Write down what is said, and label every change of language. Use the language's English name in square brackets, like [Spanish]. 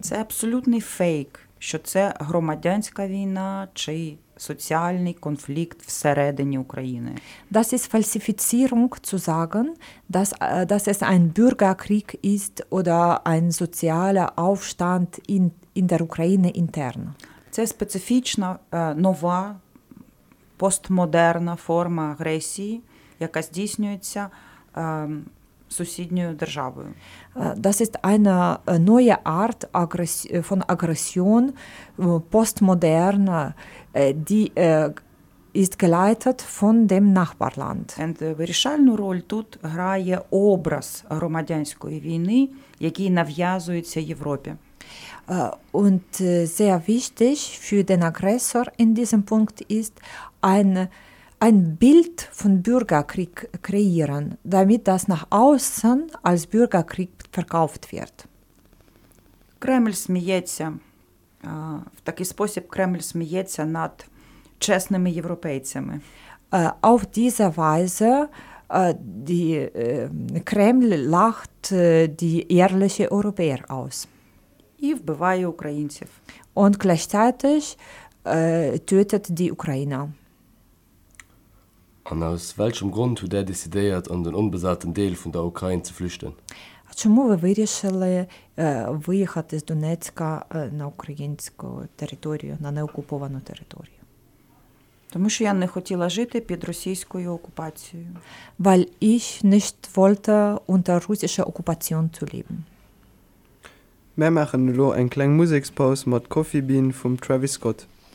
[Ukrainian] Це абсолютний фейк. що це громадянська війна чи соціальний конфлікт всередині України. [German] Das ist Falsifizierung zu sagen, dass, dass es ein Bürgerkrieg ist oder ein sozialer Aufstand in der Ukraine intern. [Ukrainian] Це специфічна, нова, постмодерна форма агресії, яка здійснюється сусідньою державою. [German] Das ist eine neue Art von Aggression, postmodern, die ist geleitet von dem Nachbarland. [Ukrainian] Und вирішальну роль тут грає образ громадянської війни, який нав'язується Європі. [German] Und sehr wichtig für den Aggressor in diesem Punkt ist ein Bild von Bürgerkrieg kreieren, damit das nach außen als Bürgerkrieg verkauft wird. [Ukrainian] Кремль сміється, в такий спосіб Кремль сміється над чесними європейцями. [German] Auf diese Weise die Kreml lacht die ehrliche Europäer aus. [Ukrainian] І вбиває українців. [German] Und gleichzeitig tötet die Ukrainer. Und aus welchem Grund hat er decidiert, an den unbesetzten Teil von der Ukraine zu flüchten? [Ukrainian] Чому ви вирішили виїхати з Донецька на українську територію, на неокуповану територію? Тому що я не хотіла жити під російською окупацією. [German] Weil ich nicht wollte unter russischer Okkupation zu leben. Wir machen nur ein kleines Musikpause mit Coffee Bean von Travis Scott.